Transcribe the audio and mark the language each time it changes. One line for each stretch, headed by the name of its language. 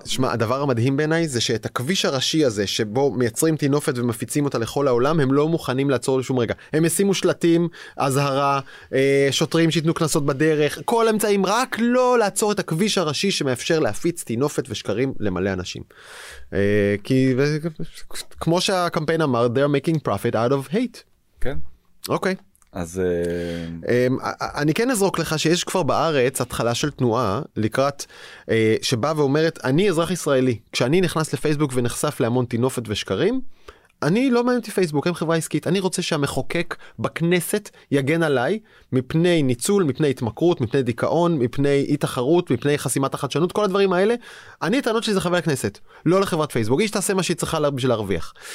Hebrew: שמע, הדבר המדהים בעיניי זה שאת הכביש הראשי הזה, שבו מייצרים תינופת ומפיצים אותה לכל העולם, הם לא מוכנים לעצור לשום רגע. הם משימו שלטים, אזהרה, שוטרים שיתנו כנסות בדרך, כל אמצעים, רק לא לעצור את הכביש הראשי שמאפשר להפיץ תינופת ושקרים למלא אנשים. כי כמו שהקמפיין אמר,
English: they're making profit out of hate.
Hebrew: כן. אוקיי. אז אני כן אזרוק לך שיש כבר בארץ התחלה של תנועה לקראת שבאה ואומרת, אני אזרח ישראלי, כשאני נכנס לפייסבוק ונחשף להמון תינופת ושקרים, אני לא מעניין אותי פייסבוק, הם חברה עסקית, אני רוצה שהמחוקק בכנסת יגן עליי מפני ניצול, מפני התמכרות, מפני דיכאון, מפני אי-תחרות, מפני חסימת החדשנות, כל הדברים האלה, אני טענות שלי זה חבר הכנסת, לא לחברת פייסבוק, היא שתעשה מה שהיא צריכה בשביל להרוויח.